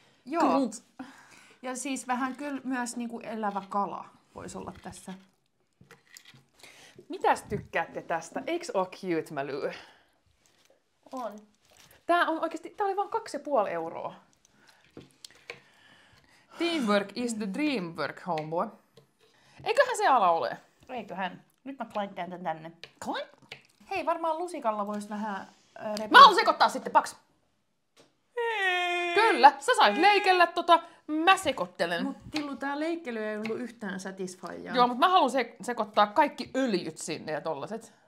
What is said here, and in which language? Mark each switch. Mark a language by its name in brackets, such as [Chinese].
[Finnish] Joo. Krunt. Ja siis vähän kyllä myös niin kuin elävä kala voisi olla tässä. Mitäs tykkäätte tästä? Eiks oo cute, mä lyö? On. Tää on oikeesti, tää oli vaan 2,5 euroa. [English] Teamwork is the dream work, homeboy. [Finnish] Eiköhän se ala ole? Eiköhän. Nyt mä klaittelen tän tänne. Klaan? Hei, varmaan lusikalla vois vähän repiä. Mä haluan sekoittaa sitten, paks! Kyllä, sä sait leikellä tota, mä sekoittelen. Mut Tillu, tää leikkely ei ollut yhtään satisfaijaa. Joo, mut mä haluan sekoittaa kaikki öljyt sinne ja tollaset.